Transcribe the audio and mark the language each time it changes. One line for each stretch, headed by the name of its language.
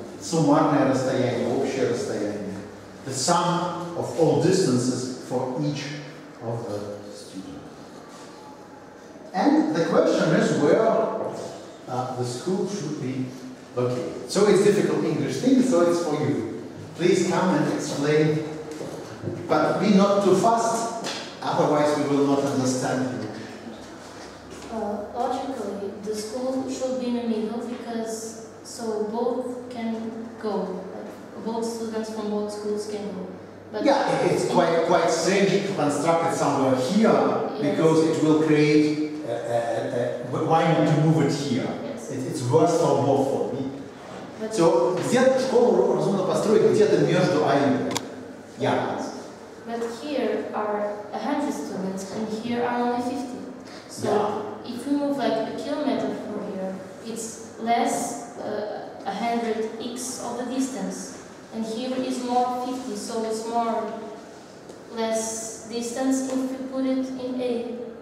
Russian: Суммарное расстояние, общее расстояние.
English: The sum of all distances for each of the students. And the question is where the school should be located. So it's difficult English thing, so it's for you. Please come and explain. But be not too fast, otherwise we will not understand you. Logically, the school should be in the middle because so both can go, like both students from both schools can go. But yeah, it's quite strange to construct it somewhere here, yes. Because it will create why not to move it here? Yes. It's worse for both for me. But so
Russian: где школу разумно построить где-то между А и Б?
English: Yeah. But here are 100 students and here are only 50. So yeah. If we move like a kilometer from here, it's less 100x of the distance. And here is more 50, so it's more less distance if we put it in A.